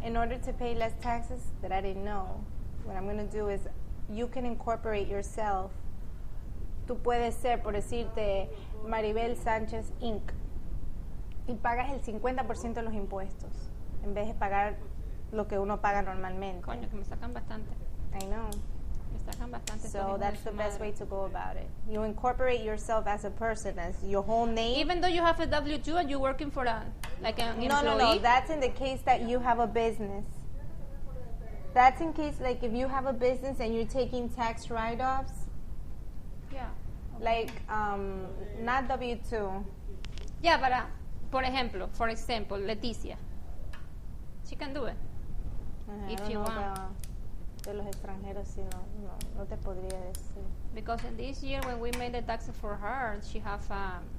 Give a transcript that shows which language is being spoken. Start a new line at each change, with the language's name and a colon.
English: In order to pay less taxes, that I didn't know. What I'm going to do is, you can incorporate yourself.
Spanish: Tú puedes ser, por decirte, Maribel Sánchez Inc. Y pagas el 50% de los impuestos, en vez de pagar lo que uno paga normalmente. Coño, que me sacan bastante.
English: I know.
Spanish: Me sacan bastante.
English: So that's the best way to go about it. You incorporate yourself as a person, as your whole name. Even though you have a W-2 and you're working for a... Like an employee? No, that's in the case that you have a business. That's in case, like, if you have a business and you're taking tax write-offs. Yeah. Okay. Like, not W-2. Yeah, but, for example, Leticia. She can do it. If you want.
Spanish: De los extranjeros, si no te podría decir.
English: Because in this year, when we made the taxes for her, she have a...